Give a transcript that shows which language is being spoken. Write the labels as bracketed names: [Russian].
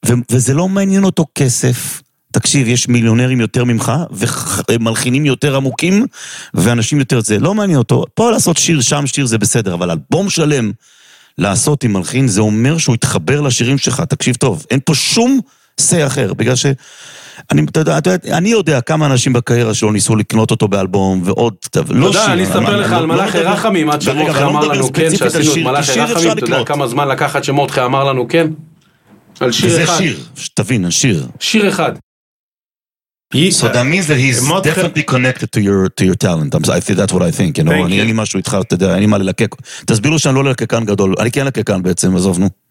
[Hebrew] וזה לא מעניין אותו כסף, תקשיב, יש מיליונרים יותר ממך, ומלחינים יותר עמוקים, ואנשים יותר, זה לא מעניין אותו, פה לעשות שיר, שם שיר זה בסדר, אבל אלבום שלם לעשות עם מלחין, זה אומר שהוא יתחבר לשירים שלך, תקשיב טוב, אין פה שום סי אחר, בגלל ש... אני יודע כמה אנשים בקהירה שלא ניסו לקנות אותו באלבום, ועוד, לא שיר. אני אספר לך על מלאכי רחמים, עד שמורדכי אמר לנו כן, שעשינו את מלאכי רחמים, אתה יודע כמה זמן לקחת שמורדכי אמר לנו כן? על שיר אחד. וזה שיר, שתבין, השיר. שיר אחד. [English] So that means that he's definitely connected to your talent. That's what I think, you know. [Hebrew] אין לי משהו איתך, אתה יודע, אין לי מה ללקק. תסבירו שאני לא ללקקן גדול, אני כן ללקקן בעצם, עזוב, נו.